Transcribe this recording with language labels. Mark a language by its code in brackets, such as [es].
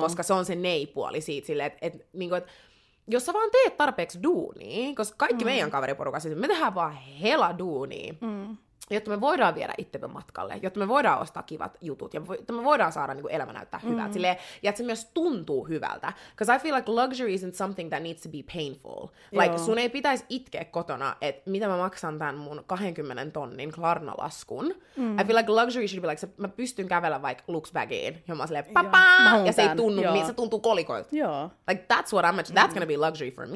[fi] Koska se on se nay-puoli siitä silleen, että jos sä vaan teet tarpeeksi duunia, koska kaikki meidän kaveriporukassa, me tehdään vaan hela duunia. jotta me voidaan viedä itsemme matkalle, jotta me voidaan ostaa kivat jutut, ja jotta me voidaan saada niin kuin elämä näyttää hyvältä, mm-hmm. silleen, ja että se myös tuntuu hyvältä. [en] Because I feel like luxury isn't something that needs to be painful. [fi] Like, joo. sun ei pitäisi itkeä kotona, että mitä mä maksan tämän mun 20 tonnin Klarna-laskun. Mm-hmm. [en] I feel like luxury should be like, [fi] mä pystyn kävellä vaikka Luxbagiin, ja mä oon silleen, papaa, ja se ei tunnu, se tuntuu kolikoilta. [en] Like, that's what I'm, that's gonna be luxury for me.